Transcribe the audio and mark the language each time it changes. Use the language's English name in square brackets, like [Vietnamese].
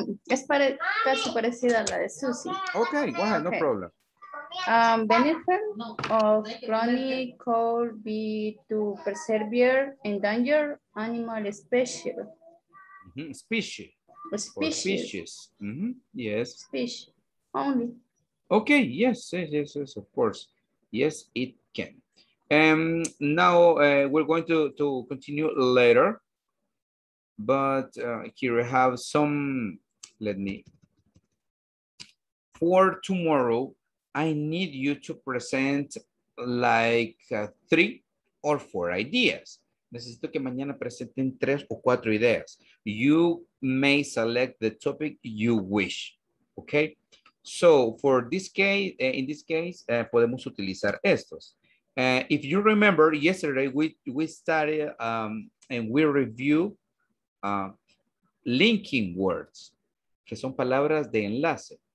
[Spanish] Es pare- casi parecida a la de Susie. [English] Okay, go ahead, no problem. Benefit of cloning could be to preserve endangered animal species. Mm-hmm. Species. Species. Mm-hmm. Yes. Species only. Okay, yes, of course. Yes, it can. Now we're going to continue later, but here we have some, let me, for tomorrow, I need you to present like three or four ideas. [Spanish] Necesito que mañana presenten tres o cuatro ideas. [English] You may select the topic you wish, okay? So for this case, in this case, [Spanish] podemos utilizar estos. [English] If you remember, yesterday we started and we review linking words, [Spanish] que son palabras de enlace.